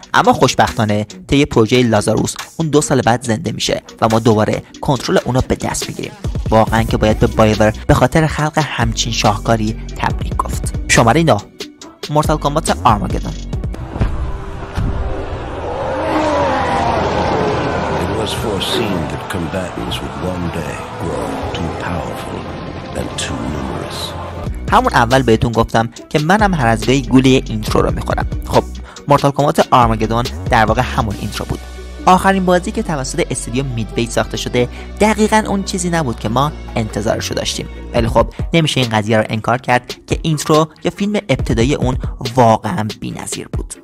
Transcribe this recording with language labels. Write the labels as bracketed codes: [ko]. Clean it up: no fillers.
[fa] اما خوشبختانه طی پروژه لازاروس اون 2 سال بعد زنده میشه و ما دوباره کنترل اونو به دست میگیریم. واقعا که باید به بایور به خاطر خلق همچین شاهکاری تبریک گفت. شماره 9، مورتال کامبات آرماگدون. [en] It was foreseen that combatants would one day grow too powerful and too numerous. [fa] همون اول بهتون گفتم که منم هر از گاهی گول اینترو رو میخورم. خب مورتال کامبات آرماگدون در واقع همون اینترو بود. آخرین بازی که توسط استودیو میدوی ساخته شده دقیقا اون چیزی نبود که ما انتظارش رو داشتیم. ولی خب نمیشه این قضیه رو انکار کرد که اینترو یا فیلم ابتدایی اون واقعا بی‌نظیر بود.